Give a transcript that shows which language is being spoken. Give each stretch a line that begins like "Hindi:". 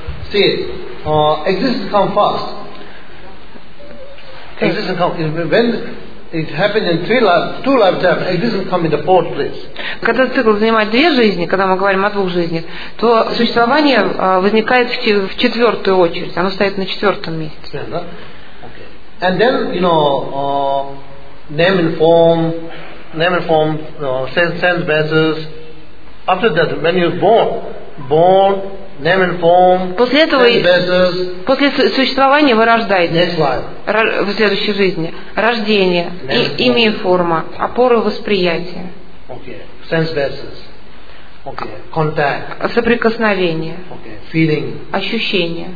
English: See, existence comes first. Existence comes when it happens in two lifetimes. Existence comes in the fourth place.
Russian: Когда цикл занимает две жизни, когда мы говорим о двух жизнях, то существование возникает в четвертую очередь. Оно стоит на четвертом месте.
English: Yeah, no? Okay. And then, you know, name and form, sense matters. After that, when you're born, name and form.
Russian: После этого, после существования вы рождаетесь.
English: Next life.
Russian: В следующей жизни. Рождение, имя и форма, опора восприятия.
English: Okay. Sense bases. Okay. Contact.
Russian: Соприкосновение.
English: Okay. Feeling.
Russian: Ощущение.